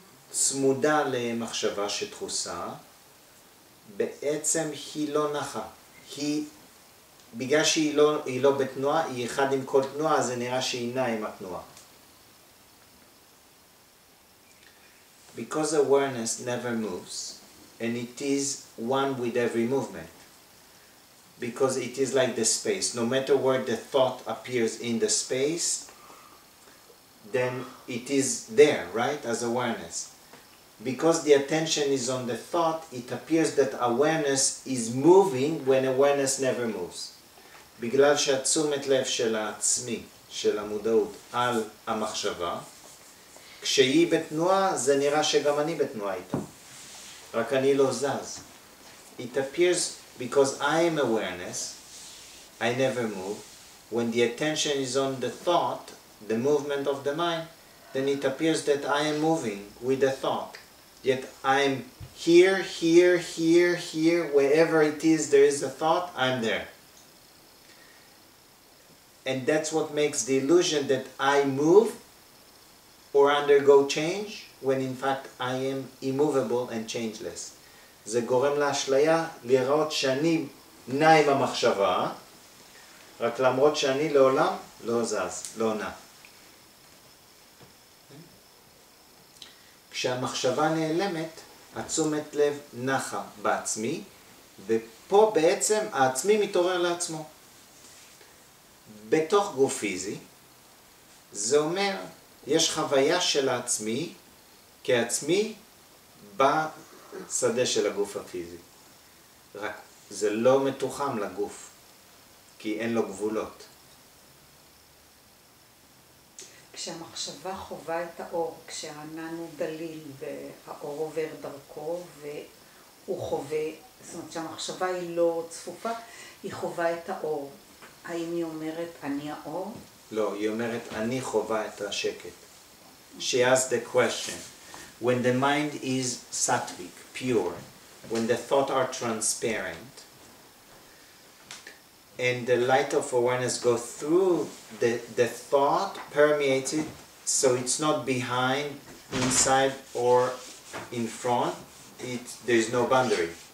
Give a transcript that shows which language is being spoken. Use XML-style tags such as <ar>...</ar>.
<he>צמודה למחשבה שדחוסה, בעצם היא לא נחה. היא, בגלל שהיא לא, היא לא בתנועה, היא אחד עם כל תנועה, זה נראה שהיא נעה עם התנועה.</he> <en>Because awareness never moves, and it is one with every movement. Because it is like the space. No matter where the thought appears in the space, then it is there, right? As awareness. Because the attention is on the thought, it appears that awareness is moving when awareness never moves.</en> <he>בגלל שהתשומת לב של העצמי, של המודעות, על המחשבה, כשהיא בתנועה, זה נראה שגם אני בתנועה איתה. רק אני לא זז.</he> <en>It appears because I am awareness, I never move. When the attention is on the thought, the movement of the mind, then it appears that I am moving with the thought. Yet I'm here, here, here, here, wherever it is, there is a thought, I'm there. And that's what makes the illusion that I move or undergo change, when in fact I am immovable and changeless.</en> <he>זה גורם לאשליה לראות שאני נע עם המחשבה, רק למרות שאני לעולם לא זז, לא נע. כשהמחשבה נעלמת, עצומת לב נחה בעצמי, ופה בעצם העצמי מתעורר לעצמו. בתוך גוף פיזי, זה אומר, יש חוויה של העצמי, כעצמי, בשדה של הגוף הפיזי. רק זה לא מתוחם לגוף, כי אין לו גבולות. כשהמחשבה חובה את האור, כשהענן הוא דליל והאור עובר דרכו והוא חווה, זאת אומרת שהמחשבה היא לא צפופה, היא חובה את האור. האם היא אומרת אני האור? לא, היא אומרת אני חובה את השקט.</he> <en>She asked the question, when the mind is sattvic, pure, when the thoughts are transparent, and the light of awareness goes through the thought, permeates it, so it's not behind, inside, or in front. There's no boundary.</en>